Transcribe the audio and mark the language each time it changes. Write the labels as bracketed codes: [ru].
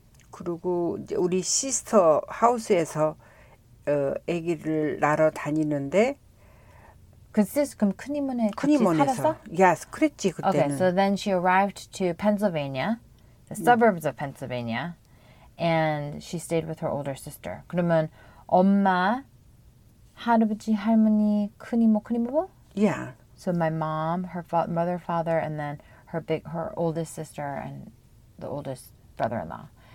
[ko] 그리고 이제 우리 시스터 하우스에서 아기를 낳으러 다니는데 그럼 큰 이모네 큰 이모네에서 yes, 그랬지 그때는 [en] Okay, so then she arrived to Pennsylvania, the suburbs of Pennsylvania, and she stayed with her older sister. [ko] 그러면 엄마, 할아버지, 할머니, 큰 이모, 큰 이모? [en] Yeah. So my mom, her mother, father, and then her oldest sister and the oldest brother-in-law.